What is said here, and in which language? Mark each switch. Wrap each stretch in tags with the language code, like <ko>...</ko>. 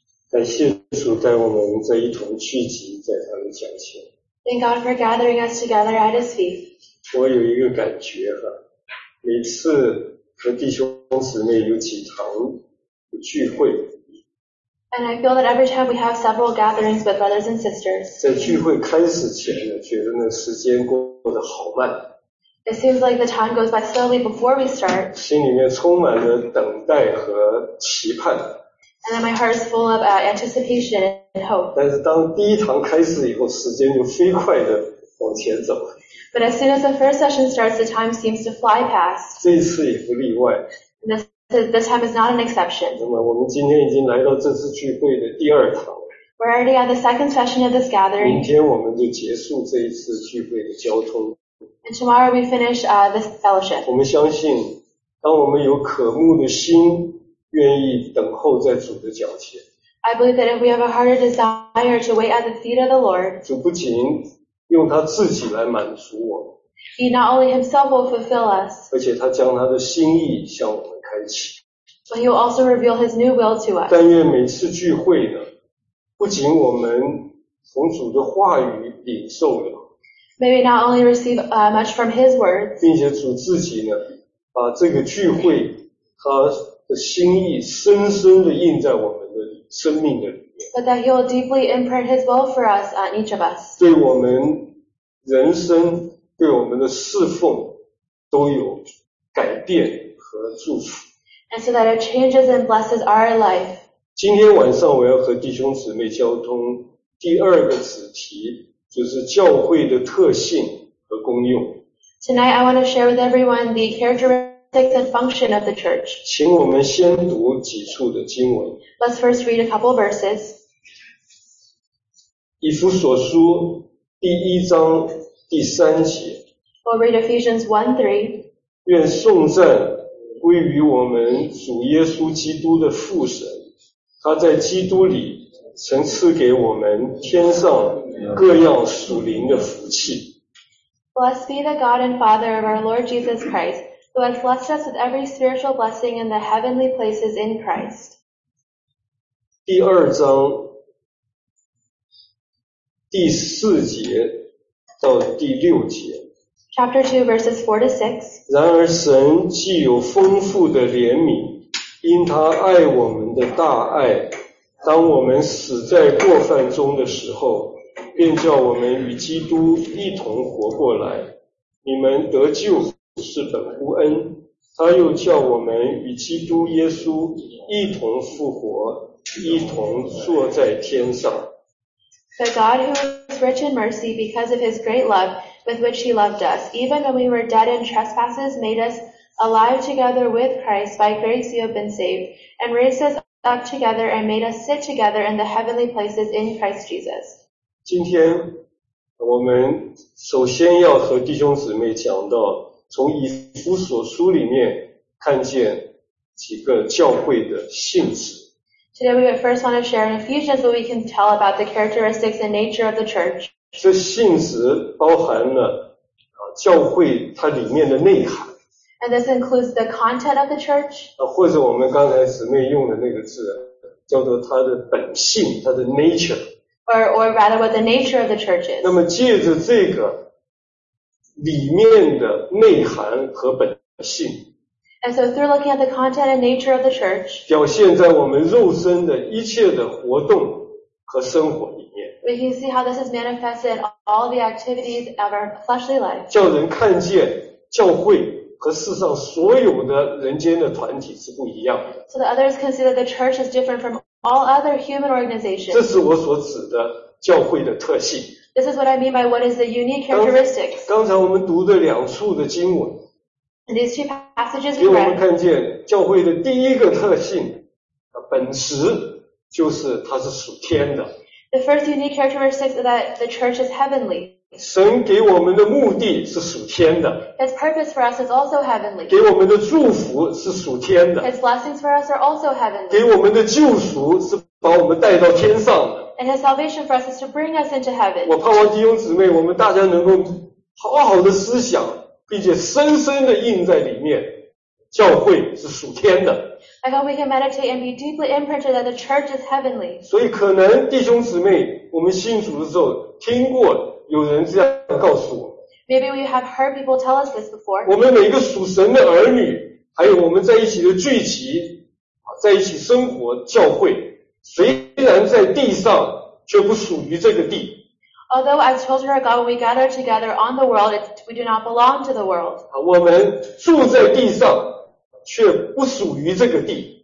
<zh>感谢主带我们这一同聚集在他的脚前。</zh> <en>Thank God for gathering us together at His feet.</en> <zh>我有一个感觉哈，每次和弟兄姊妹有几堂聚会。</zh> <en>And I feel that every time we have several gatherings with brothers and sisters.</en> <zh>在聚会开始前呢，觉得那时间过得好慢。</zh> <en>It seems like the time goes by slowly before we start.</en> <zh>心里面充满着等待和期盼。</zh> <en>And my heart is full of anticipation and hope.</en> <zh>但是当第一堂开始以后，时间就飞快地往前走。</zh> <en>But as soon as the first session starts, the time seems to fly past.</en> <zh>这次也不例外。</zh> <en>This time is not an exception.</en> <zh>那么我们今天已经来到这次聚会的第二堂。</zh> <en>We're already at the second session of this gathering.</en> <zh>明天我们就结束这一次聚会的交通。</zh> <en>And tomorrow we finish this fellowship.</en> <zh>我们相信，当我们有渴慕的心，愿意等候在主的脚前。</zh> <en>I believe that if we have a heart of desire to wait at the feet of the Lord,</en> <zh>主不仅用他自己来满足我们，</zh> <en>He not only himself will fulfill us,</en> <zh>而且他将他的心意向我们开启。</zh> <en>But he will also reveal his new will to us.</en> <zh>但愿每次聚会呢，不仅我们从主的话语领受了，</zh> <en>May we not only receive much from his words,</en> <zh>并且主自己呢，把这个聚会和的心意深深地印在我们的生命的里面。</zh> <en>But that he will deeply imprint his will for us on each of us.</en> <zh>对我们人生，对我们的侍奉都有改变和祝福。</zh> <en>And so that it changes and blesses our life.</en> <zh>今天晚上我要和弟兄姊妹交通第二个子题，就是教会的特性和功用。</zh> <en>Tonight I want to share with everyone the characteristics and function of the church.</en> <zh>请我们先读几处的经文。</zh> <en>Let's first read a couple verses.</en> <zh>以弗所书第一章第三节。</zh> <en>We'll read Ephesians 1:3.</en> <zh>愿颂赞归于我们主耶稣基督的父神，他在基督里曾赐给我们天上各样属灵的福气。</zh> <en>Blessed be the God and Father of our Lord Jesus Christ, who has blessed us with every spiritual blessing in the heavenly places in Christ.</en> <zh>第二章第四节到第六节。</zh> <en>Chapter 2, verses 4 to 6.</en> <zh>然而神既有丰富的怜悯，因他爱我们的大爱，当我们死在过犯中的时候，便叫我们与基督一同活过来。你们得救是本乎恩，他又叫我们与基督耶稣一同复活，一同坐在天上。</zh> <en>The God who is rich in mercy because of his great love with which he loved us, even when we were dead in trespasses, made us alive together with Christ, by grace you have been saved, and raised us up together and made us sit together in the heavenly places in Christ Jesus.</en> <zh>今天我们首先要和弟兄姊妹讲到从以弗所书里面看见几个教会的性质。</zh> <en>Today we would first want to share in Ephesians what we can tell about the characteristics and nature of the church.</en> <zh>这性质包含了教会它里面的内涵。</zh> <en>And this includes the content of the church.</en> <zh>或者我们刚才姊妹用的那个字叫做它的本性，它的 nature。</zh> <en>Or rather what the nature of the church is.</en> <zh>那么借着这个里面的内涵和本性，</zh> <en>And so through looking at the content and nature of the church,</en> <zh>表现在我们肉身的一切的活动和生活里面，</zh> <en>We can see how this is manifested in all the activities of our fleshly life.</en> <zh>叫人看见教会和世上所有的人间的团体是不一样的。</zh> <en>So that others can see that the church is different from all other human organizations.</en> <zh>这是我所指的教会的特性。</zh> <en>This is what I mean by what is the unique characteristics.</en> <zh>刚才我们读的两处的经文，</zh> <en>These two passages we read,</en> <zh>给我们看见教会的第一个特性，本质就是它是属天的。</zh> <en>The first unique characteristics is that the church is heavenly.</en> <zh>神给我们的目的是属天的。</zh> <en>His purpose for us is also heavenly.</en> <zh>给我们的祝福是属天的。</zh> <en>His blessings for us are also heavenly.</en> <zh>给我们的救赎是把我们带到天上的。</zh> <en>And his salvation for us is to bring us into heaven.</en> <zh>我盼望弟兄姊妹，我们大家能够好好的思想，并且深深地印在里面，教会是属天的。</zh> <en>I hope we can meditate and be deeply imprinted that the church is heavenly.</en> <zh>所以可能弟兄姊妹，我们信主的时候听过有人这样告诉我。</zh> <en>Maybe we have heard people tell us this before.</en> <zh>我们每个属神的儿女，还有我们在一起的聚集，在一起生活，教会，虽然在地上，却不属于这个地。</zh> <en>Although as children of God, when we gather together on the world, we do not belong to the world.</en> <zh>我们住在地上，却不属于这个地。</zh>